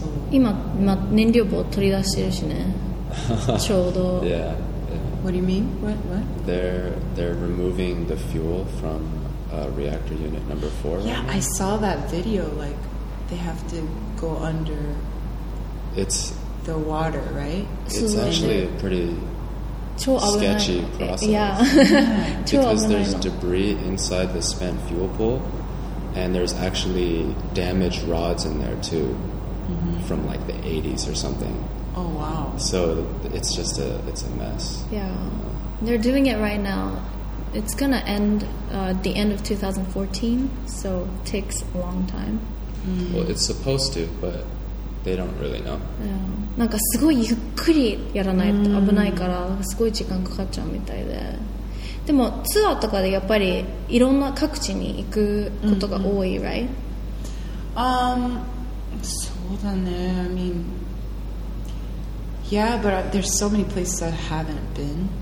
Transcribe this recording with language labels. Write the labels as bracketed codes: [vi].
[ja] 今、まあ、燃料棒取り出してるしね。ちょうど。 [en] Yeah, yeah. What do you mean? What? They're removing the fuel from reactor unit number 4. Yeah, I saw that video. Like, they have to go under it's, the water, right? It's actually a pretty sketchy process. Yeah. Because there's debris inside the spent fuel pool, and there's actually damaged rods in there too. Mm-hmm. From like the 80s or something. Oh wow. So it's just a mess. Yeah. They're doing it right now. It's gonna end at the end of 2014, so it takes a long time. Mm-hmm. Well, it's supposed to, but they don't really know. [ja] Yeah. なんかすごいゆっくりやらないと危ないから、すごい時間かかっちゃうみたいで。でもツアーとかでやっぱりいろんな各地に行くことが多い、mm-hmm. [en] right? I mean, yeah, but there's so many places I haven't been.